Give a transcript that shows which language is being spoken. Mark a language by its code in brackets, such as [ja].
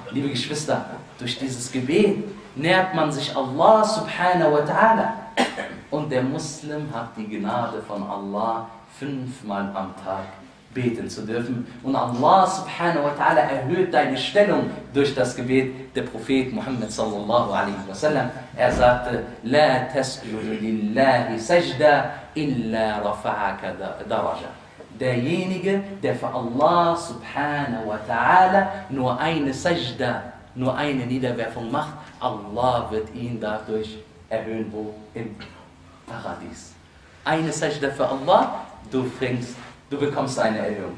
[de] Liebe Geschwister, durch dieses Gebet nähert man sich Allah subhanahu wa ta'ala. Und der Muslim hat die Gnade von Allah fünfmal am Tag beten zu dürfen. Und Allah subhanahu wa ta'ala erhöht deine Stellung durch das Gebet der Prophet Muhammad sallallahu alaihi wa sallam. Er sagte, [ar] لا تسجد لله سجدة إلا رفعك درجة. [de] Derjenige, der für Allah subhanahu wa ta'ala nur eine Sajda, nur eine Niederwerfung macht, Allah wird ihn dadurch erhöhen, wo? Im Paradies. Eine Sajda für Allah, du bekommst eine Erhöhung.